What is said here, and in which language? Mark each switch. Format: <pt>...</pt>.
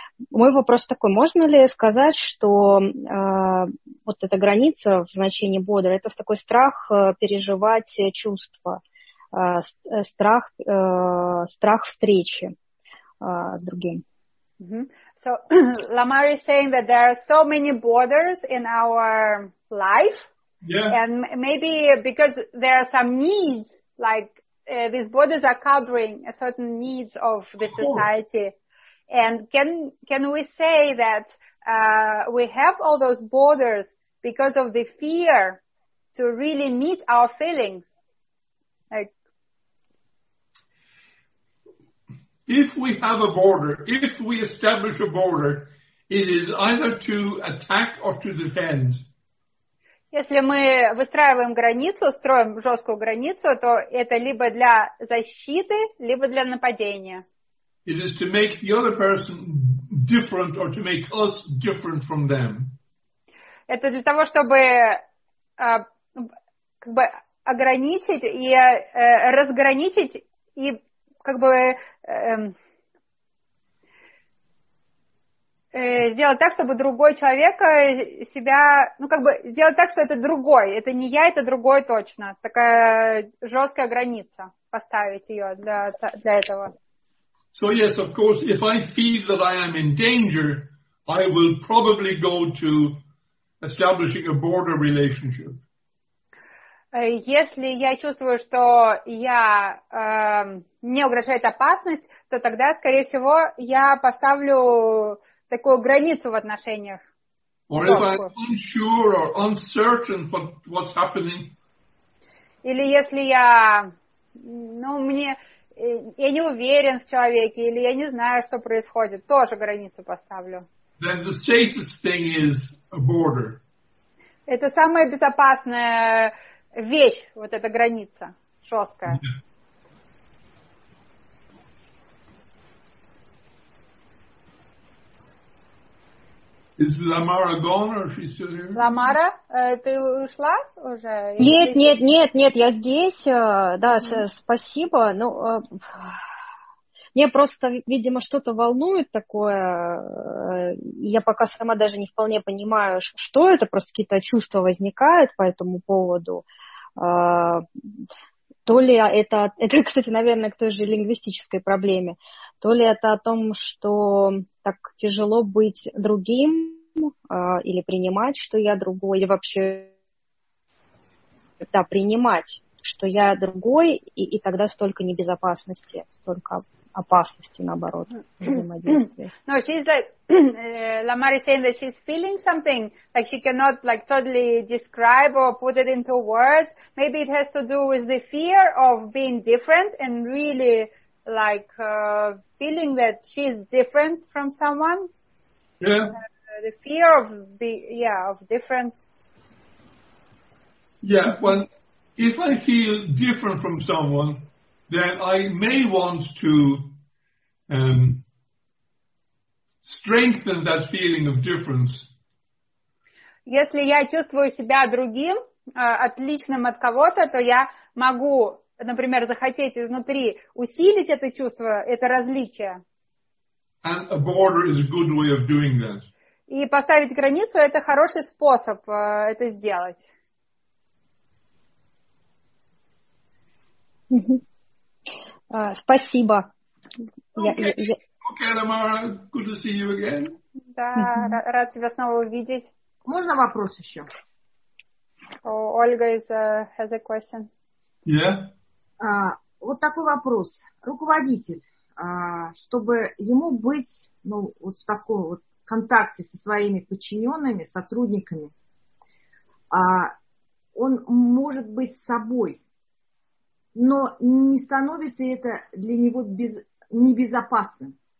<ru>Мой вопрос такой, можно ли сказать, что вот эта граница в значении бодр, это такой страх переживать чувства, страх встречи с другим?</ru> <en>So, Lamar is saying that there are so many borders in our life, yeah. And maybe because there are some needs, like these borders are covering a certain needs of the society. And can we say that we have all those borders because of the fear to really meet our feelings? If we have a border, if we establish a border, it is either to attack or to defend.</en> <ru>Если мы выстраиваем границу, строим жесткую границу, то это либо для защиты, либо для нападения.</ru> <en>It is to make the other person different or to make us different from them.</en> <ru>Это для того, чтобы как бы ограничить и разграничить и как бы сделать так, чтобы другой человек себя, ну как бы сделать так, что это другой, это не я, это другой точно. Такая жесткая граница поставить ее для этого.</ru> <en>So yes, of course, if I feel that I am in danger, I will probably go to establishing a border relationship.</en> <ru>Если я чувствую, что я мне угрожает опасность, то тогда, скорее всего, я поставлю такую границу в отношениях.</ru> <en>Or if I'm unsure or uncertain what's happening.</en> <ru>Или если я, ну, мне... Я не уверен в человеке, или я не знаю, что происходит. Тоже границу поставлю.</ru> <en>Then the safest thing is a border.</en> <ru>Это самая безопасная вещь, вот эта граница, жесткая.</ru> <en>Yeah. Is Ламара gone, or is she still here?</en> <ru>Ламара, ты ушла уже? Нет, нет, нет, нет, я здесь. Да, спасибо. Ну, мне просто, видимо, что-то волнует такое. Я пока сама даже не вполне понимаю, что это. Просто какие-то чувства возникают по этому поводу. То ли это, кстати, наверное, к той же лингвистической проблеме, то ли это о том, что так тяжело быть другим, или принимать, что я другой, или вообще да, принимать, что я другой, и тогда столько небезопасности, столько опасности, наоборот, взаимодействия.</ru> <en>No, she's like, Lamar is saying that she's feeling something, like she cannot like totally describe or put it into words. Maybe it has to do with the fear of being different and really like feeling that she's different from someone. Yeah. The fear of of difference. Yeah, well, if I feel different from someone, then I may want to strengthen that feeling of difference.</en> <ru>Если я чувствую себя другим, отличным от кого-то, то я могу, например, захотеть изнутри усилить это чувство, это различие.</ru> <en>And a border is a good way of doing that.</en> <ru>И поставить границу – это хороший способ это сделать. Спасибо.</ru> <en>Okay, Tamara, good to see you again.</en> <ru>Да, рад тебя снова увидеть. Можно вопрос еще?</ru> <en>Ольга has a question. Yeah.</en> <ru>Вот такой вопрос. Руководитель, чтобы ему быть, ну, вот в таком вот контакте со своими подчиненными, сотрудниками, он может быть собой. Но не становится это для него небезопасным.</ru>